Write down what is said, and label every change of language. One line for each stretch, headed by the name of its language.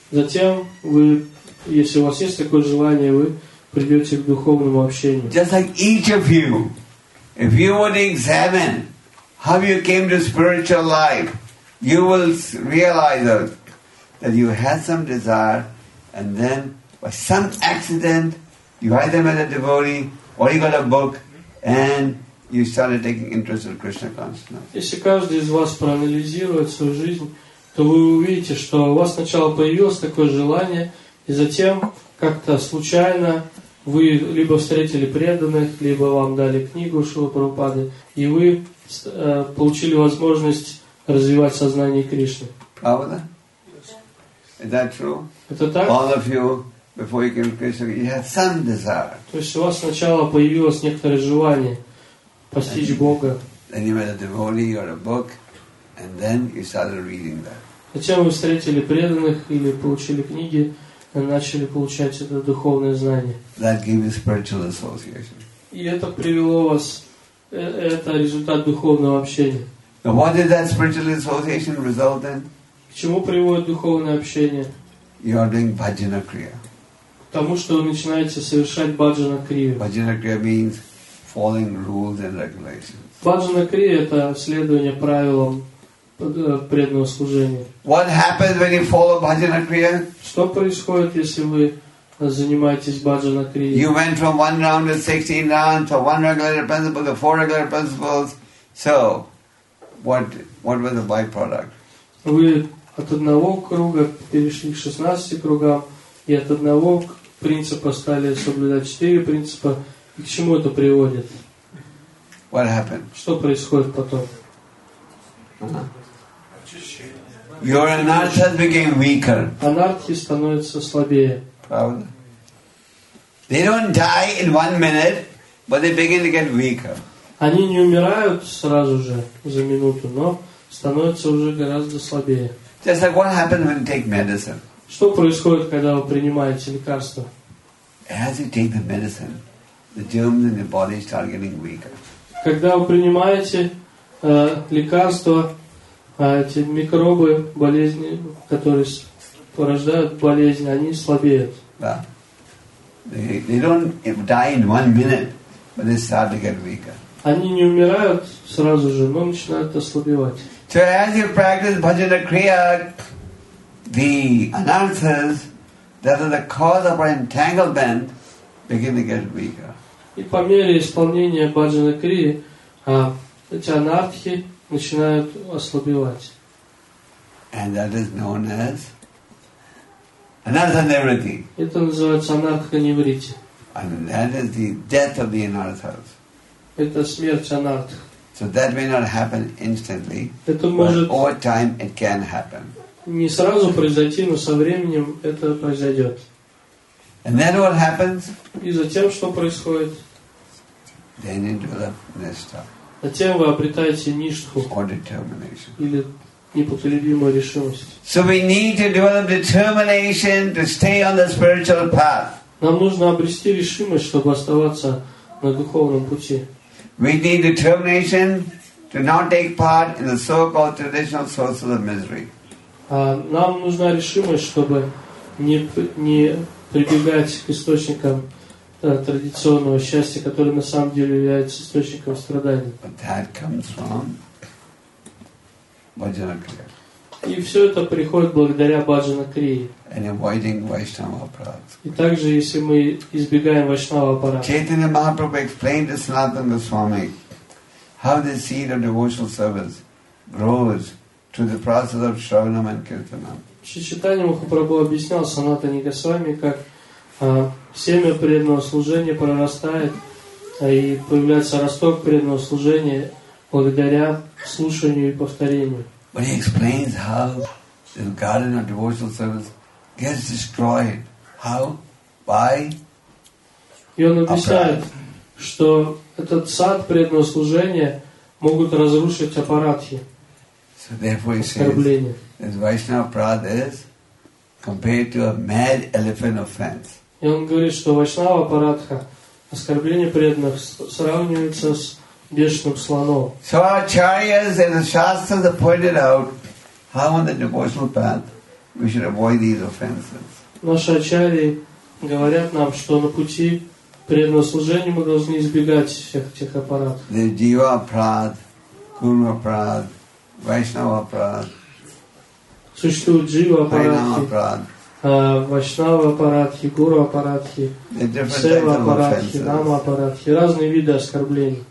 Russian: Затем вы, если у вас есть такое желание, вы придете к духовному общению.
English: Just like each of you, if you would examine how you came to spiritual life, you will realize that you had some desire, and then by some accident, you either met a devotee or you got a book, and you started taking interest in Krishna consciousness.
Russian: Если каждый из вас проанализирует свою жизнь, то вы увидите, что у вас сначала появилось такое желание, и затем как-то случайно вы либо встретили преданных, либо вам дали книгу Шрилы Прабхупады, и вы получили возможность развивать сознание Кришны. Правда?
English: Is that true?
Russian: Это так?
English: All of you, before you came to Krishna, you had some desire.
Russian: То есть у вас сначала появилось некоторое желание постичь Бога.
English: Then you met a devotee or a book, and then you started reading that.
Russian: Затем вы встретили преданных или получили книги, и начали получать это духовное знание.
English: That gave you spiritual association.
Russian: И это привело вас, это результат духовного общения.
English: Now what did that spiritual association result in?
Russian: К чему приводит духовное общение?
English: You are doing bhajana kriya.
Russian: Потому что вы начинаете совершать bhajana kriya.
English: Bhajana kriya means following rules and regulations.
Russian: Bhajana kriya – это следование правилам преданного служения.
English: What happens when you follow bhajana kriya?
Russian: Что происходит, если вы занимаетесь bhajana kriya?
English: You went from one round to 16 rounds, to one regulated principle, to four regulated principles. So, what was the byproduct?
Russian: Вы от одного круга перешли к 16 кругам, и от одного принципа стали соблюдать 4 принципа. И к чему это приводит?
English: What happened?
Russian: Что происходит потом?
English: Your anartha became weaker.
Russian: Анартхи становится слабее. Правда?
English: They don't die in one minute, but they begin to get weaker.
Russian: Они не умирают сразу же за минуту, но становятся уже гораздо слабее.
English: Just like what happens when you take medicine?
Russian: Что происходит, когда вы принимаете лекарство?
English: As you take the medicine, the germs in your body start getting weaker.
Russian: Когда вы принимаете лекарство, эти микробы, болезни, которые порождают болезнь, они слабеют. Да.
English: They don't die in one minute, but they start to get weaker.
Russian: Они не умирают сразу же, но начинают ослабевать.
English: So as you practice bhajana kriya, the anarthas that are the cause of our entanglement begin to get weaker.
Russian: И по мере исполнения bhajana kriya, эти анартхи начинают ослабевать.
English: And that is known as anartha nivritti.
Russian: Это называется анартха нивритти.
English: And that is the death of the anarthas.
Russian: Это смерть анартх.
English: So that may not happen instantly, but over time it can happen.
Russian: Не сразу произойти, но со временем это произойдет.
English: And then what happens?
Russian: И затем что происходит?
English: Then you develop nistha.
Russian: Затем вы обретаете ништху или непоколебимую решимость.
English: So we need to develop determination to stay on the spiritual path.
Russian: Нам нужно обрести решимость, чтобы оставаться на духовном пути.
English: We need determination to not take part in the so-called traditional sources of misery.
Russian: Нам нужна решимость, чтобы не прибегать к источникам традиционного счастья, которое на самом деле является источником страданий.
English: But that comes from bhajana kriya.
Russian: И все это приходит благодаря bhajana kriya.
English: And avoiding Vaishnava aparadha.
Russian: И также, если мы избегаем Vaishnava aparadha.
English: Chaitanya Mahaprabhu explained to Sanatana Goswami how the seed of devotional service grows through the process of Shravanam and Kirtanam.
Russian: Шри Чайтанья Махапрабху объяснял Санатане Госвами, как семя преданного служения прорастает и появляется росток преданного служения благодаря слушанию и повторению.
English: But he explains how the garden of devotional service gets destroyed. How? Why?
Russian: И он объясняет, что этот сад преданного служения могут разрушить аппаратхи.
English: So therefore he says, as Vaishnava Prada is compared to a mad elephant offense.
Russian: И он говорит, что Вайшнава Парадха, оскорбление преданных, сравнивается с бешеным слоном.
English: So acharyas and the shastras have pointed out how on the devotional path we should avoid these offenses.
Russian: Наши ачарьи говорят нам, что на пути преданного служения мы должны избегать всех этих аппаратов.
English: The Jiva Prad, Kurma Prad, Vaishnava Prad.
Russian: Существуют Jiva Prad. Вайшнава аппаратхи, гуру аппаратхи, сева аппаратхи, нама аппаратхи, разные виды оскорблений.